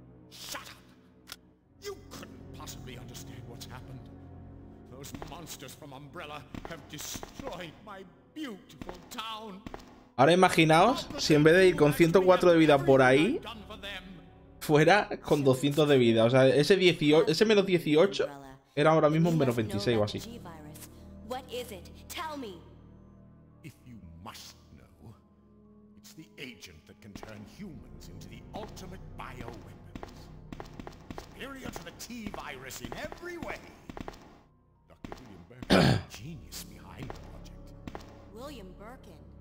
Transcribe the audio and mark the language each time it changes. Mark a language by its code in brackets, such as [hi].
[en] Shut up! You couldn't possibly understand what's happened. The Those monsters from Umbrella have destroyed my beautiful town. [es] Ahora imaginaos si en vez de ir con 104 de vida por ahí, fuera con 200 de vida. O sea, ese 18, ese menos 18 era ahora mismo un menos 26 o así. [en] What is it? Tell me. If you must know, it's the agent that can turn humans into the ultimate bioweapons. Superior to the T-virus in every way. Dr. William Birkin, genius behind the project. William Birkin.